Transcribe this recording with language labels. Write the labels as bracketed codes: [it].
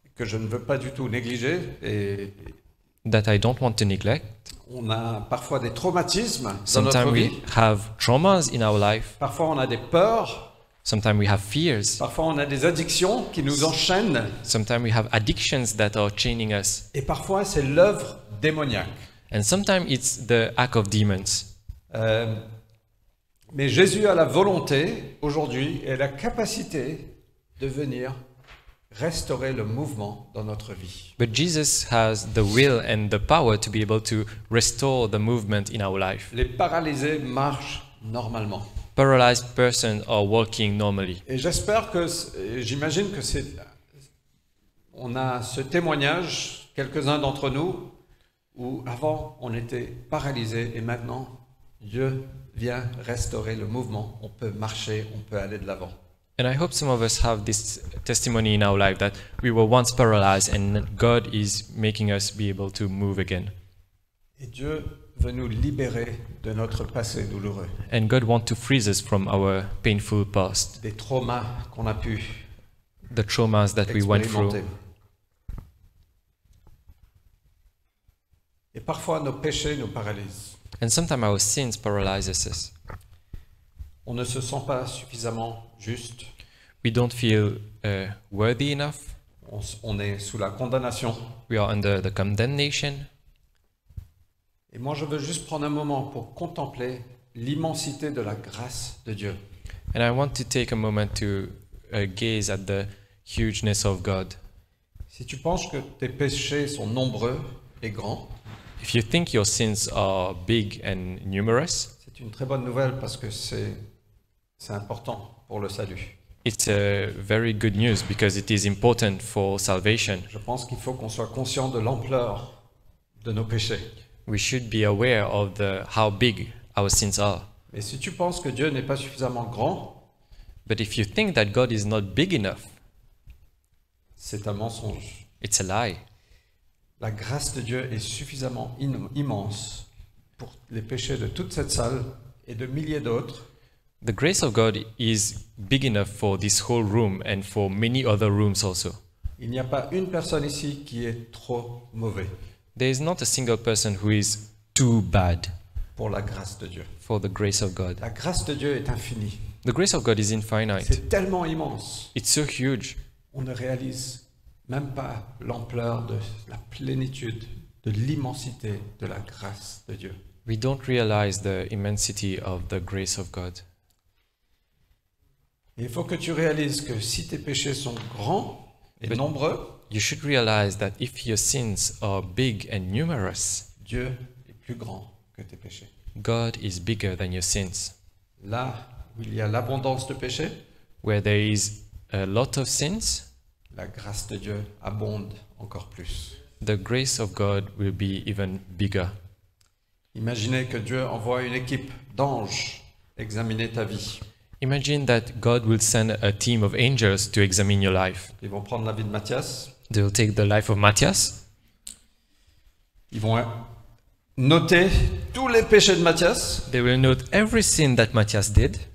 [fr] Que je ne veux pas du tout négliger et [en] that I don't want to neglect. [fr] On a parfois des traumatismes [en] Sometimes [fr] dans notre vie. [en] We have traumas in our life. [fr] Parfois on a des peurs. [en] Sometimes we have fears. [fr] Parfois on a des addictions qui nous enchaînent. [en] Sometimes we have addictions that are chaining us. [fr] Et parfois c'est l'œuvre démoniaque. [en] And sometimes it's the act of demons. [fr] Mais Jésus a la volonté aujourd'hui et la capacité de venir restaurer le mouvement dans notre vie. [en] But Jesus has the will and the power to be able to restore the movement in our life. [fr] Les paralysés marchent normalement. [en] Paralyzed persons are walking normally. [fr] Et j'espère que, j'imagine que c'est, on a ce témoignage, quelques-uns d'entre nous, où avant on était paralysés et maintenant Dieu vient restaurer le mouvement. On peut marcher, on peut aller de l'avant. [en] And I hope some of us have this testimony in our life that we were once paralyzed and God is making us be able to move again. [fr] Et Dieu veut nous libérer de notre passé douloureux. [en] And God wants to free us from our painful past. [fr] Des traumas qu'on a pu [en] The traumas that we went through. [fr] Et parfois nos péchés nous paralysent. [en] And sometimes our sins paralyze us. [fr] On ne se sent pas suffisamment juste. [en] We don't feel worthy enough. [fr] On est sous la condamnation. [en] We are under the condemnation. [fr] Et moi, je veux juste prendre un moment pour contempler l'immensité de la grâce de Dieu. [en] And I want to take a moment to gaze at the hugeness of God. [fr] Si tu penses que tes péchés sont nombreux et grands, [en] if you think your sins are big and numerous, [fr] c'est une très bonne nouvelle parce que c'est important pour le salut. [en] It's a very good news because it is important for salvation. [fr] Je pense qu'il faut qu'on soit conscient de l'ampleur de nos péchés. [en] We should be aware of the how big our sins are. [fr] Mais si tu penses que Dieu n'est pas suffisamment grand, [en] but if you think that God is not big enough, [fr] c'est un mensonge. [en] It's a lie. [fr] La grâce de Dieu est suffisamment immense pour les péchés de toute cette salle et de milliers d'autres. [en] The grace of God is big enough for this whole room and for many other rooms also. [fr] Il n'y a pas une personne ici qui est trop mauvais. [en] There is not a single person who is too bad. [fr] Pour la grâce de Dieu. [en] For the grace of God. [fr] La grâce de Dieu est infinie. [en] The grace of God is infinite. [fr] C'est tellement immense. [en] It's so huge. [fr] On ne réalise même pas l'ampleur de la plénitude, de l'immensité de la grâce de Dieu. [en] We don't realize the immensity of the grace of God. [fr] Il faut que tu réalises que si tes péchés sont grands et [en] But [fr] nombreux, [en] you should realize that if your sins are big and numerous, [fr] Dieu est plus grand que tes péchés. [en] God is bigger than your sins. [fr] Là où il y a l'abondance de péchés, [en] where there is a lot of sins, [fr] la grâce de Dieu abonde encore plus. [en] The grace of God will be even bigger. [fr] Imaginez que Dieu envoie une équipe d'anges examiner ta vie. [en] Imagine that God will send a team of angels to examine your life. [fr] Ils vont prendre la vie de Matthias. [en] They will take the life of Matthias. [fr] Ils vont noter tous les péchés de Matthias. [en] They will note every sin that Matthias did.